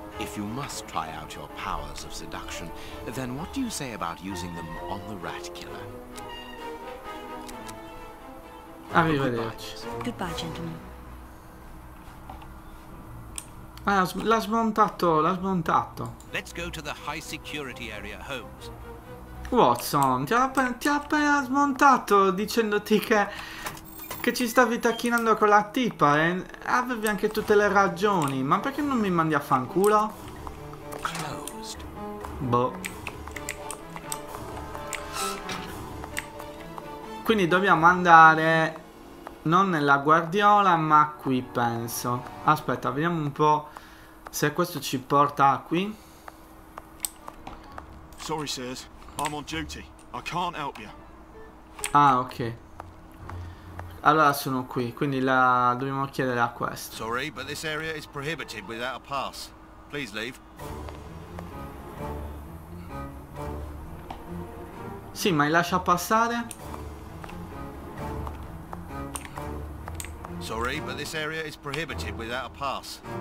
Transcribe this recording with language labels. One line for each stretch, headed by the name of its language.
English: If you must try out your powers of seduction, then what do you say about using them on the rat killer?
Italian: Arrivederci.
English: Goodbye, gentlemen.
Italian: Ah, l'ha smontato.
English: Let's go to the high security area, Holmes.
Italian: Watson, ti ha appena smontato dicendoti che ci stavi tacchinando con la tipa e avevi anche tutte le ragioni. Ma perché non mi mandi a fanculo?
English: Closed.
Italian: Boh. Quindi dobbiamo andare non nella guardiola, ma qui penso. Aspetta, vediamo un po' se questo ci porta qui.
English: Sorry, sirs. I'm on duty. I can't help you.
Italian: Ah, ok. Allora sono qui, quindi la dobbiamo chiedere a questo.
English: Sorry, but this area is prohibited without a pass. Please leave.
Italian: Sì, ma mi lascia passare?
English: Sorry, but this area is prohibited without a pass.